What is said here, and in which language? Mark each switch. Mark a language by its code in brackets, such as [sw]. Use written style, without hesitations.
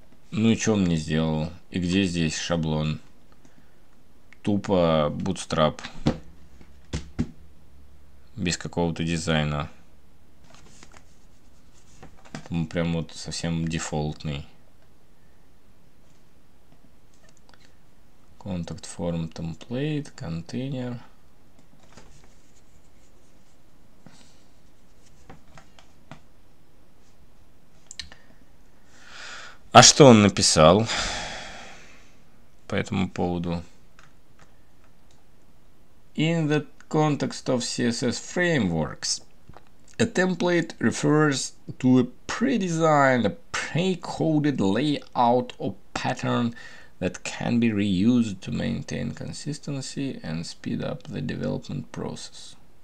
[ru] Ну и что он мне сделал? И где здесь шаблон? Тупо Bootstrap. Без какого-то дизайна. Он прям вот совсем дефолтный. [en] Contact form template, контейнер. [ru] А что он написал по этому поводу? [en] In the context of CSS frameworks, a template refers to a pre-designed, pre-coded layout or pattern that can be reused to maintain consistency and speed up the development process.